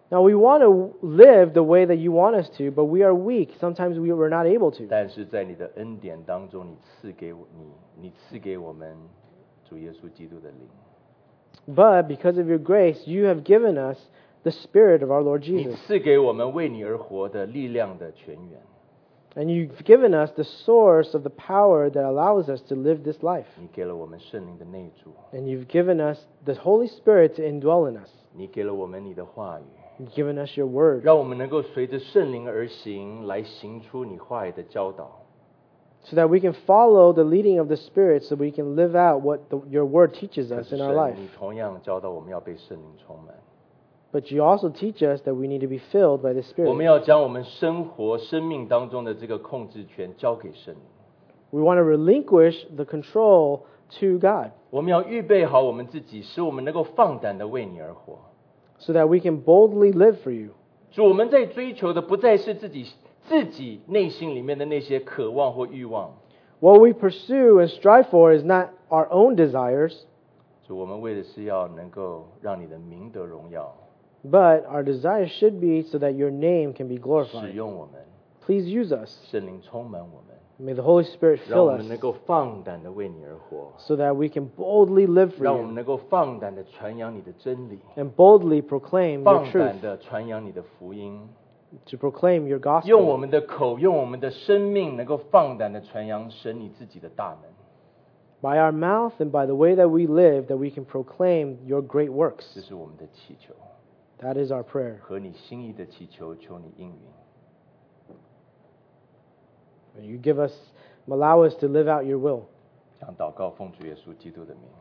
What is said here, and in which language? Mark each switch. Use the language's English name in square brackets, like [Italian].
[English] Now we want to live the way that you want us to, but we are weak. Sometimes we were not able to. [Chinese] 但是在你的恩典当中，你赐给我们主耶稣基督的灵。 [English] But because of your grace, you have given us the Spirit of our Lord Jesus. [Chinese] 你赐给我们为你而活的力量的泉源。 [English] And you've given us the source of the power that allows us to live this life. [Chinese] 你给了我们圣灵的内住。 [English] And you've given us the Holy Spirit to indwell in us. [Chinese] 你给了我们你的话语。 [English] You've given us your word. [Chinese] 让我们能够随着圣灵而行，来行出你话语的教导。 [English] So that we can follow the leading of the Spirit so we can live out what your word teaches us in our life. [Chinese] 你同样教导我们要被圣灵充满。 [English] But you also teach us that we need to be filled by the Spirit. [Chinese] 我们要将我们生活生命当中的这个控制权交给圣灵。 [English] We want to relinquish the control to God. [Chinese] 我们要预备好我们自己，使我们能够放胆的为你而活。 [English] So that we can boldly live for you. [Chinese] 主，我们在追求的不再是自己内心里面的那些渴望或欲望。 [English] What we pursue and strive for is not our own desires. [Chinese] 主，我们为的是要能够让你的名得荣耀。 [English] But our desire should be so that your name can be glorified. [Chinese] 使用我们。 [English] Please use us. [Chinese] 圣灵充满我们。 [English] May the Holy Spirit fill us. [Chinese] 让我们能够放胆的为你而活。 [English] So that we can boldly live for you. [Chinese] 让我们能够放胆的传扬你的真理。 [English] And boldly proclaim your truth. [Chinese] 放胆的传扬你的福音。 [English] To proclaim your gospel. [Chinese] 用我们的口，用我们的生命，能够放胆的传扬神你自己的大能。 [English] By our mouth and by the way that we live, that we can proclaim your great works. [Chinese] 这是我们的祈求。 [English] That is our prayer. [Chinese] 和你心意的祈求，求你应允。 [English] May you give us, allow us to live out your will. [Chinese] 这样祷告，奉主耶稣基督的名。